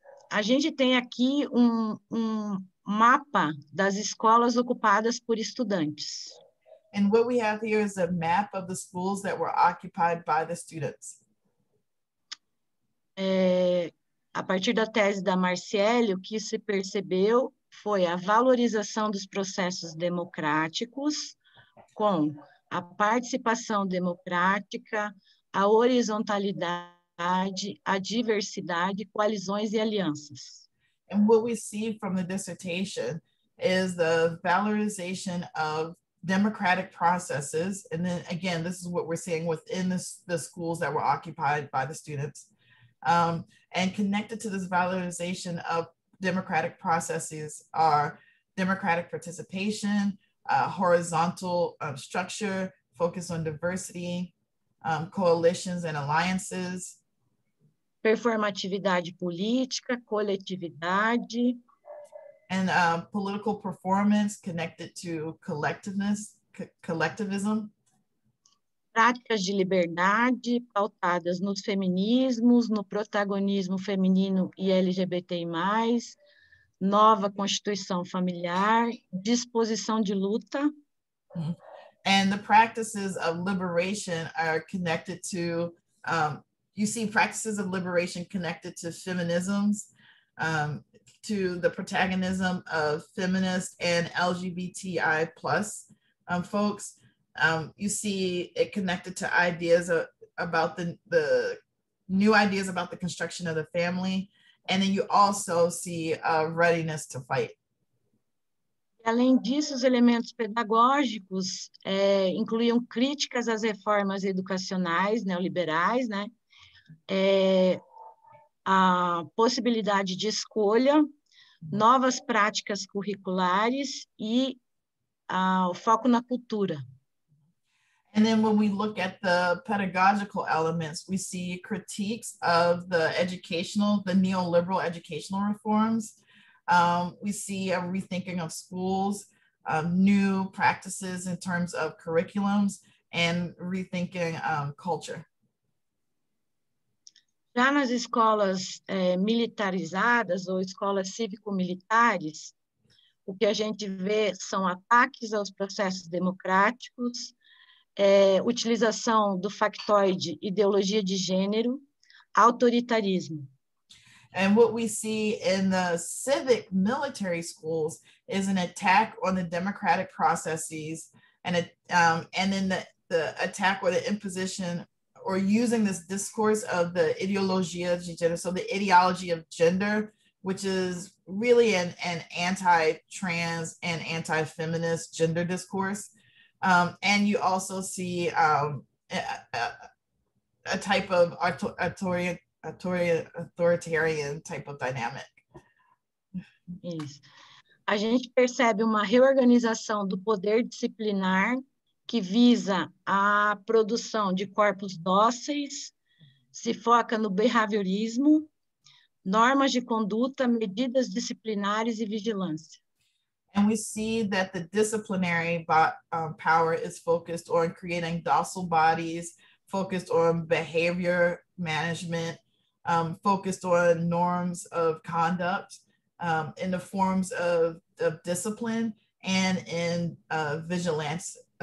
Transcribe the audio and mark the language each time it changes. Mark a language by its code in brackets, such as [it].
[pt] A gente tem aqui um mapa das escolas ocupadas por estudantes. [en] And what we have here is a map of the schools that were occupied by the students. [pt] A partir da tese da Marcielle, o que se percebeu foi a valorização dos processos democráticos com a participação democrática, a horizontalidade, a diversidade, coalizões e alianças. [en] And what we see from the dissertation is the valorization of democratic processes. And then again, this is what we're seeing within the schools that were occupied by the students. And connected to this valorization of democratic processes are democratic participation, horizontal structure, focus on diversity, coalitions and alliances, [pt] performatividade política, coletividade. [en] And political performance connected to collectiveness, collectivism. [pt] Práticas de liberdade pautadas nos feminismos, no protagonismo feminino e LGBTI+, nova constituição familiar, disposição de luta. [en] And the practices of liberation are connected to you see practices of liberation connected to feminisms, to the protagonism of feminist and LGBTI plus folks. You see it connected to ideas about the new ideas about the construction of the family. And then you also see a readiness to fight. [pt] Além disso, os elementos pedagógicos incluíam críticas às reformas educacionais neoliberais, né? A possibilidade de escolha, novas práticas curriculares e o foco na cultura. [en] And then when we look at the pedagogical elements, we see critiques of the educational, the neoliberal educational reforms. We see a rethinking of schools, new practices in terms of curriculums and rethinking culture. [pt] Já nas escolas militarizadas ou escolas cívico-militares, o que a gente vê são ataques aos processos democráticos, utilização do factoide ideologia de gênero, autoritarismo. [en] And what we see in the civic military schools is an attack on the democratic processes and then the attack or the imposition or using this discourse of the [pt] ideologia de [en] gender, so the ideology of gender, which is really an anti-trans and anti-feminist gender discourse. And you also see a type of authoritarian type of dynamic. [pt] Isso. A gente percebe uma reorganização do poder disciplinar que visa a produção de corpos dóceis, se foca no behaviorismo, normas de conduta, medidas disciplinares e vigilância. [en] And we see that the disciplinary power is focused on creating docile bodies, focused on behavior management, focused on norms of conduct in the forms of discipline and in vigilance.